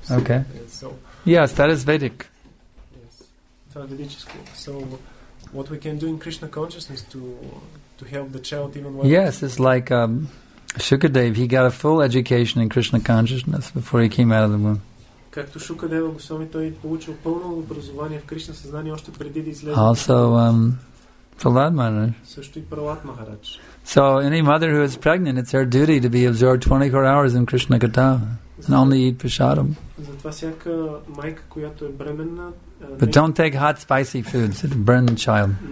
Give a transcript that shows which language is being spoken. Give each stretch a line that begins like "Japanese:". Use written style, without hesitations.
English: So, okay. Yes, that is Vedic. Yes. So, what we can do in Krishna consciousness to help the child even while. Yes, it's like. Shukadev, he got a full education in Krishna consciousness before he came out of the womb.
Bulgarian: Както Шукадева Госвами, той получил пълно образование в Кришна съзнание още преди да излезе.
English: Also, Prahlad Maharaj.
Bulgarian: Също и Prahlad Maharaj.
English: So, any mother who is pregnant, it's her duty to be absorbed 24 hours in Krishna katha and only eat prasadam.
Bulgarian: Затова всяка майка, която е бременна,
English: But don't take hot, spicy foods. It'll burn the child.